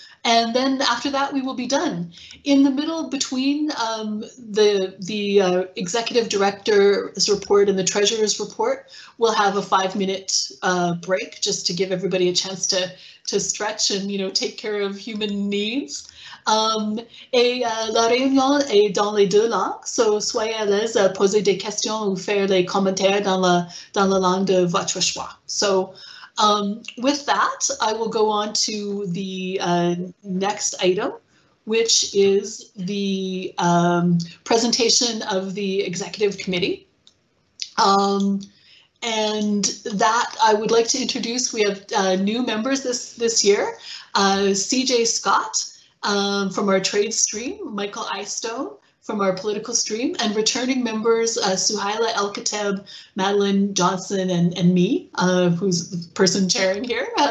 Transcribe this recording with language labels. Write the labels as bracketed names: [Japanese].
[English] And then after that, we will be done. In the middle between the executive director's report and the treasurer's report, we'll have a 5-minute break just to give everybody a chance to stretch and, you know, take care of human needs. [French] La réunion est dans les deux langues, so soyez à l'aise à poser des questions ou faire les commentaires dans la langue de votre choix. [English] So, with that, I will go on to the next item, which is the presentation of the executive committee. And that I would like to introduce, we have new members this year, CJ Scott from our trade stream, Michael Eystone from our political stream, and returning members, Suhaila El-Khateb, Madeline Johnson, and me, who's the person chairing here.